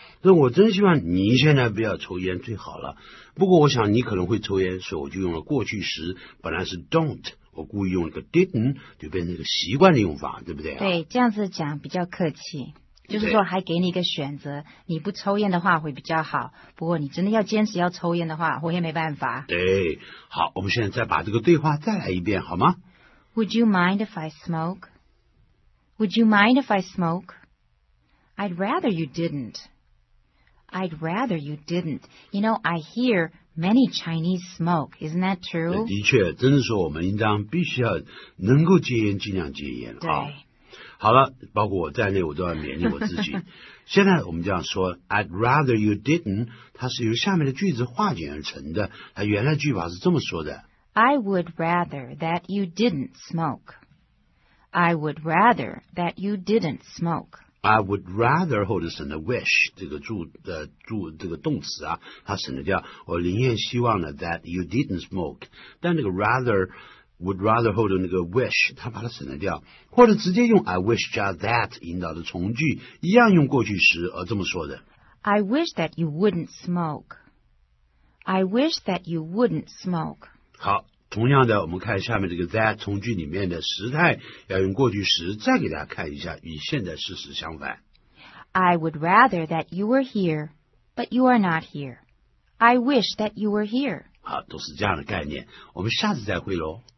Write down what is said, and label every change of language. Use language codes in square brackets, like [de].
[zh] 那我真希望你现在不要抽烟最好了，不过我想你可能会抽烟，所以我就用了过去时，本来是 don't， 我故意用了个 didn't， 就变成一个习惯的用法，对不对、啊、对，这样子讲比较客气。就是说还给你一个选择，你不抽烟的话会比较好，不过你真的要坚持要抽烟的话，我也没办法。对，好，我们现在再把这个对话再来一遍好吗？ [en] Would you mind if I smoke? Would you mind if I smoke? I'd rather you didn't. I'd rather you didn't. You know, I hear many Chinese smoke. Isn't that true? [zh] 的确，真的说我们应当必须要能够戒烟，尽量戒烟。对。好了，包括我在内，我都要勉励我自己。现在我们这样说 ， [en] I'd rather you didn't， [zh] 它是由下面的句子化简而成的。它原来句法是这么说的 [en] ：I would rather that you didn't smoke. I would rather that you didn't smoke. I would rather [zh] 后头省了 wish 这个助的助这个动词啊，它省了掉。我宁愿希望呢 [en] that you didn't smoke， [zh] 但那个 rather。 [en] Would rather [zh] 后的那个 wish， 他把它省了掉，或者直接用 [en] I wish [zh] 加 that 引导的从句，一样用过去时而这么说的。 [en] I wish that you wouldn't smoke. I wish that you wouldn't smoke. [zh] 好，同样的，我们看下面这个 that 从句里面的时态要用过去时，再给大家看一下，与现在事实相反。 [en] I would rather that you were here, but you are not here. I wish that you were here. [zh] 好，都是这样的概念，我们下次再会咯。